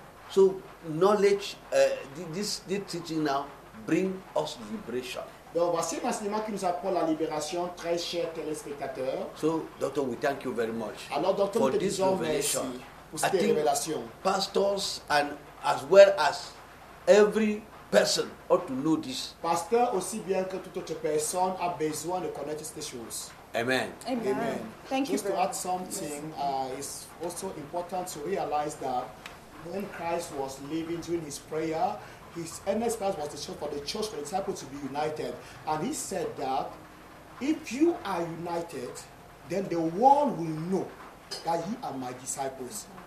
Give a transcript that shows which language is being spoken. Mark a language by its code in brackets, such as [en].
[en] So knowledge, this teaching now bring us liberation. [fr] Donc voici un enseignement qui nous apporte la libération, très chers téléspectateurs. [en] So, Doctor, we thank you very much. [fr] Alors, Docteur, nous te disons merci pour cette révélation. [en] Pastors and as well as every person ought to know this. [fr] Pasteur aussi bien que toute autre personne a besoin de connaître ces choses. [en] Amen. Amen. Amen. Thank Just you. Just to add something, it's also important to realize that when Christ was living during his prayer, his earnest prayer was for the church, for the disciples to be united. And he said that if you are united, then the world will know that you are my disciples.